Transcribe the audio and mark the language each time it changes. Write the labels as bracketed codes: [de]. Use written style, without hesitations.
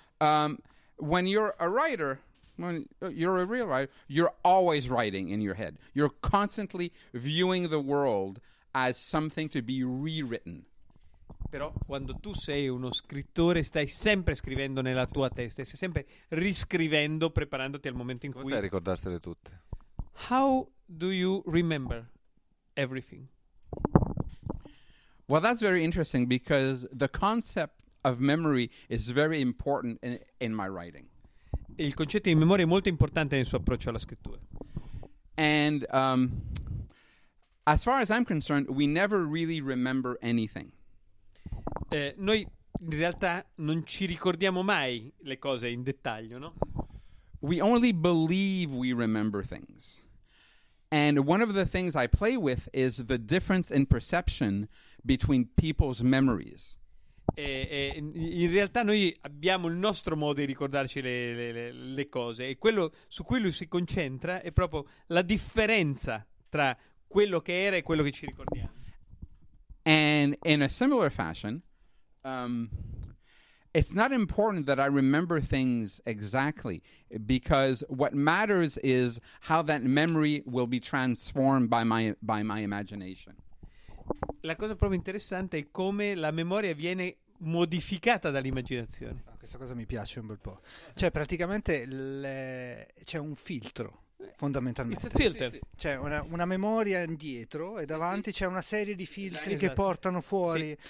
[en] When you're a writer, when you're a real writer, you're always writing in your head. You're constantly viewing the world as something to be rewritten. [it] Però quando tu sei uno scrittore stai sempre scrivendo nella tua testa, stai sempre riscrivendo, preparandoti al momento in come cui... Come fai a ricordartele tutte? [en] How do you remember everything? Well, that's very interesting because the concept of memory is very important in my writing. [it] Il concetto di memoria è molto importante nel suo approccio alla scrittura. [en] And as far as I'm concerned, we never really remember anything. [it] Noi in realtà non ci ricordiamo mai le cose in dettaglio, no? [en] We only believe we remember things. And one of the things I play with is the difference in perception between people's memories. [it] In realtà noi abbiamo il nostro modo di ricordarci le cose e quello su cui lui si concentra è proprio la differenza tra quello che era e quello che ci ricordiamo. [en] And in a similar fashion, it's not important that I remember things exactly, because what matters is how that memory will be transformed by my imagination. [it] La cosa proprio interessante è come la memoria viene modificata dall'immaginazione. Ah, questa cosa mi piace un bel po'. Cioè, praticamente c'è un filtro. Fondamentalmente [en] it's a filter. [it] C'è una memoria indietro e davanti c'è una serie di filtri che portano fuori.